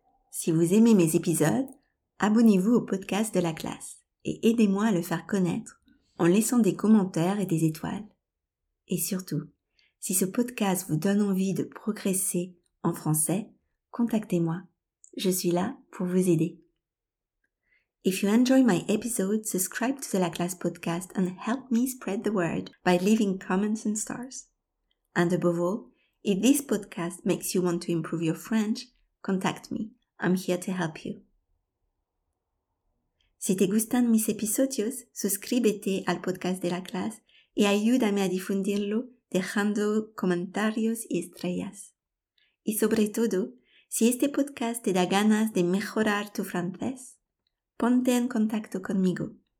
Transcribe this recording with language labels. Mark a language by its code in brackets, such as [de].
[fr] Si vous aimez mes épisodes, abonnez-vous au podcast de la classe et aidez-moi à le faire connaître en laissant des commentaires et des étoiles. Et surtout, si ce podcast vous donne envie de progresser en français, contactez-moi. Je suis là pour vous aider. [en] If you enjoy my episode, subscribe to the La Classe podcast and help me spread the word by leaving comments and stars. And above all, if this podcast makes you want to improve your French, contact me. I'm here to help you. [es] Si te gustan mis episodios, suscríbete al podcast de La Classe y ayúdame a difundirlo dejando comentarios y estrellas. Y sobre todo, si este podcast te da ganas de mejorar tu francés, ponte en contacto conmigo.